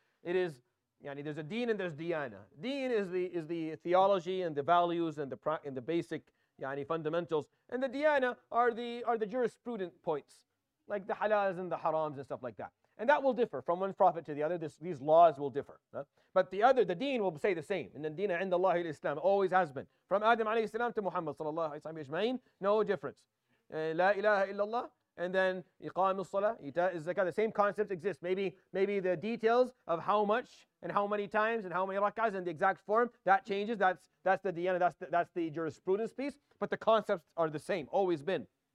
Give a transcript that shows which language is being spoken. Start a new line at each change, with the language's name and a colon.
English: It is, yani, there's a deen and there's diana. Deen is the theology and the values and the basic, yani, fundamentals. And the diana are the jurisprudent points, like the halals and the harams and stuff like that. And that will differ from one prophet to the other. These laws will differ. Huh? But the other, the deen, will say the same. And the deen
Arabic: عند الله الإسلام
English: always has been. From Adam
Arabic: عليه السلام
English: to Muhammad
Arabic: صلى الله عليه وسلم أجمعين,
English: no difference.
Arabic: لا إله إلا الله.
English: And then
Arabic: إقام الصلاة, إيتاء الزكاة,
English: the same concept exists. Maybe the details of how much and how many times and how many rak'ahs and the exact form, that changes. That's the deen, that's the jurisprudence piece. But the concepts are the same, always been.